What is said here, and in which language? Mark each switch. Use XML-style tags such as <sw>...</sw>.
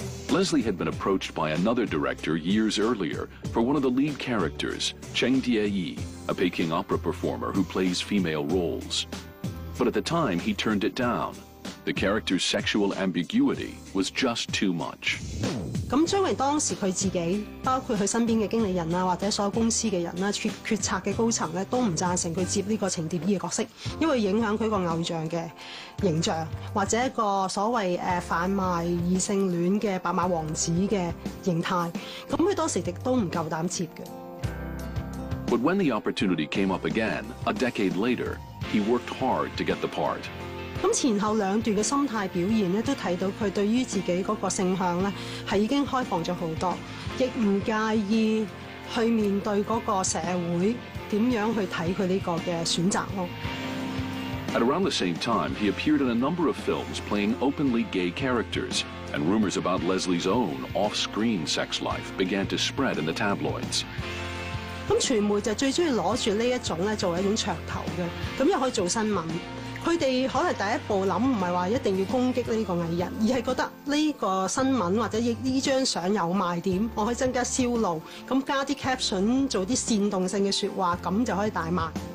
<en>Leslie had been approached by another director years earlier for one of the lead characters, Cheng Tie-yi, a Peking opera performer who plays female roles. But at the time, he turned it down. The character's sexual ambiguity was just too much.</en> <yue>咁張榮當時佢自己，包括佢身邊嘅經理人啊，或者所有公司嘅人啦，決策嘅高層咧，都唔贊成佢接呢個程蝶衣嘅角色，因為影響佢個偶像嘅形象，或者一個所謂販賣異性戀嘅白馬王子嘅形態。咁佢當時亦都唔夠膽接嘅。</yue> <en>But when the opportunity came up again, a decade later, he worked hard to get the part.</en> <yue>咁前後兩段嘅心態表現咧，都睇到佢對於自己嗰個性向咧，係已經開放咗好多，亦唔介意去面對嗰個社會點樣去睇佢呢個嘅選擇咯。</yue> <en>At around the same time, he appeared in a number of films playing openly gay characters, and rumors about Leslie's own off-screen sex life began to spread in the tabloids.</en> <yue>咁傳媒就最中意攞住呢一種咧作為一種噱頭嘅，咁又可以做新聞。他哋可能第一步諗唔係話一定要攻擊呢個藝人，而係覺得呢個新聞或者呢張相有賣點，我可以增加銷路，咁加啲 caption 做啲煽動性嘅説話，咁就可以大賣。</yue>